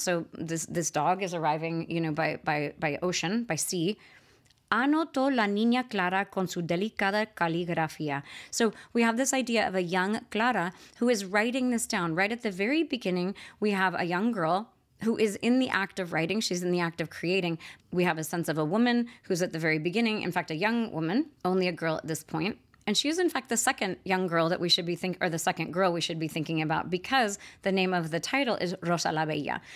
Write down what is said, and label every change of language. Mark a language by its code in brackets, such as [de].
[en] So this dog is arriving, you know, by ocean, by sea. [es] Anotó la niña Clara con su delicada caligrafía. [en] So we have this idea of a young Clara who is writing this down. Right at the very beginning, we have a young girl who is in the act of writing. She's in the act of creating. We have a sense of a woman who's at the very beginning. In fact, a young woman, only a girl at this point. And she is, in fact, the second young girl that we should be thinking, or the second girl we should be thinking about, because the name of the title is Rosa la Bella.